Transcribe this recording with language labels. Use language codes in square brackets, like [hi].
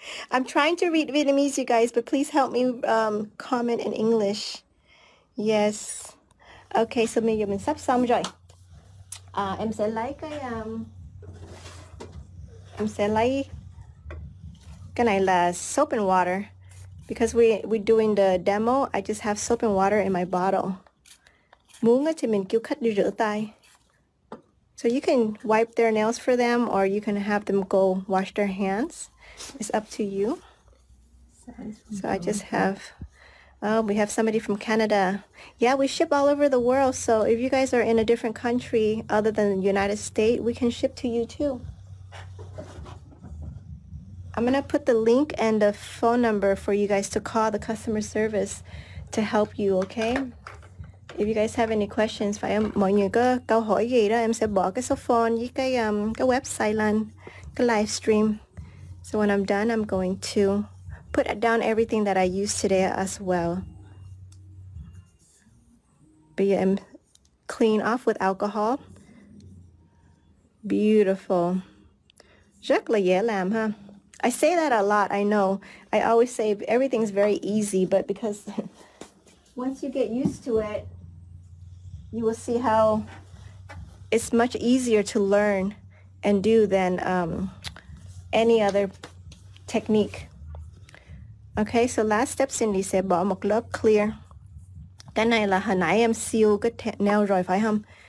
[en] I'm trying to read Vietnamese, you guys, but please help me comment in English. Yes. [vi] Okay, so mình sắp xong rồi. Em sẽ lấy cái em sẽ lấy cái này là [en] soap and water. Because we're doing the demo, I just have soap and water in my bottle. [vi] Muốn thì mình kêu khách đi rửa tay. [en] So you can wipe their nails for them, or you can have them go wash their hands. It's up to you. So I just have, we have somebody from Canada. Yeah, we ship all over the world. So if you guys are in a different country other than the United States, we can ship to you too. I'm going to put the link and the phone number for you guys to call the customer service to help you, okay? If you guys have any questions, [vi] phải mọi người có câu hỏi gì đó, em sẽ bỏ cái số phone với cái website lên, cái live stream. [en] So when I'm done, I'm going to put down everything that I used today as well. But yeah, I'm clean off with alcohol. Beautiful. [vi] Rất là dễ làm, huh? [en] I say that a lot, I know. I always say everything's very easy, but because once you get used to it, you will see how it's much easier to learn and do than any other technique. Okay, so last step, Cindy said, [vi] bỏ một lớp clear. Cái này là hồi nãy em seal cái nail rồi, phải không?